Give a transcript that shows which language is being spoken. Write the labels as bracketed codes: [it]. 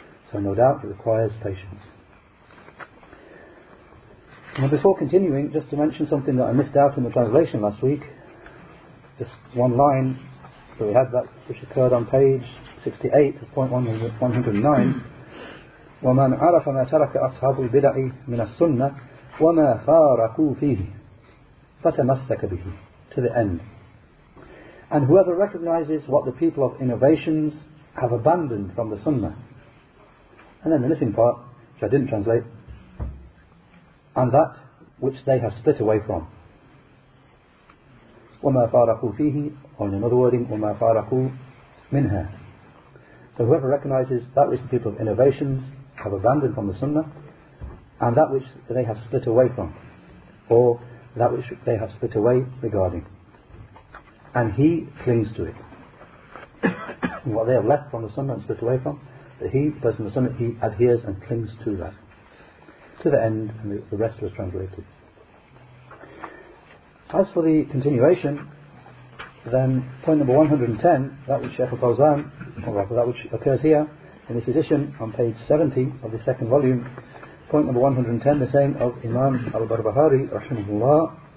[en] So no doubt it requires patience. Now before continuing, just to mention something that I missed out in the translation last week. Just one line that we had, that which occurred on page 68 of point 109. [ar] وَمَنْ عَرَفَ مَا تَرَكَ أَصْحَابُ الْبِدَعِ مِنَ السُّنَّةِ وَمَا فَارَكُوا فِيهِ فَتَمَسَّكَ بِهِ, [en] to the end. And whoever recognizes what the people of innovations have abandoned from the Sunnah. And then the missing part, which I didn't translate, and that which they have split away from. [ar] وَمَا فَارَكُوا فِيهِ, [en] or in another wording, [ar] وَمَا فَارَكُوا مِنْهَا. [en] So whoever recognizes that which the people of innovations have abandoned from the Sunnah, and that which they have split away from, or that which they have split away regarding, and he clings to it. What they have left from the Sunnah and split away from, that he, the person of the Sunnah, he adheres and clings to that. To the end, and the rest was translated. As for the continuation, then point number 110, that which Sheikh Al-Fawzan, or rather that which occurs here in this edition on page 70 of the second volume, point number 110, the saying of Imam Al-Barbahari, rahimahullah,